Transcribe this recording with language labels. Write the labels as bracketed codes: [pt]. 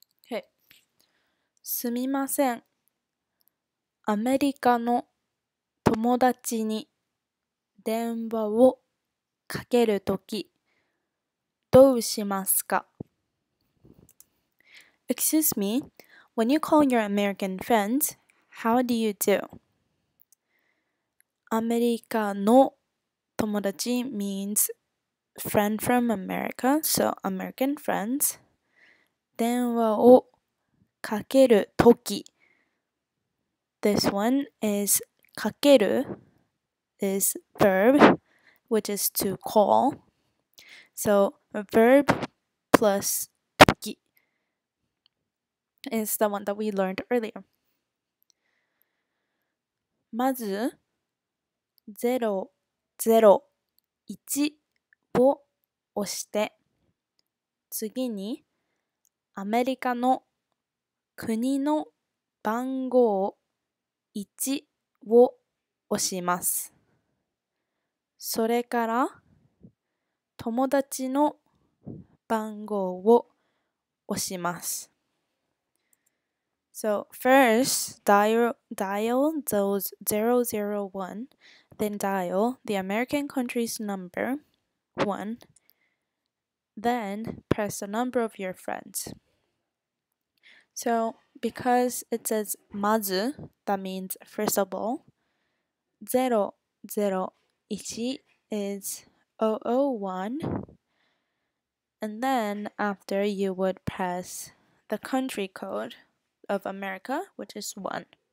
[en] 2. Hey. [ja] すみません。アメリカの友達に電話をかけるときどうしますか? [en] Excuse me, when you call your American friends, how do you do? [ja] アメリカの友達 [en] means friend from America, so American friends. [ja] 電話をかけるとき [en] This one is かけるis verb, which is to call. So, a verb plus toki is the one that we learned earlier. [ja] まず、001を押して、次に、アメリカの国の番号1を押します。それから、友達の番号を押します。 [en] So, first, dial those 001, then dial the American country's number, 1, then press the number of your friends. So, because it says まず, that means first of all, 001 is 001, and then after you would press the country code of America, which is 1.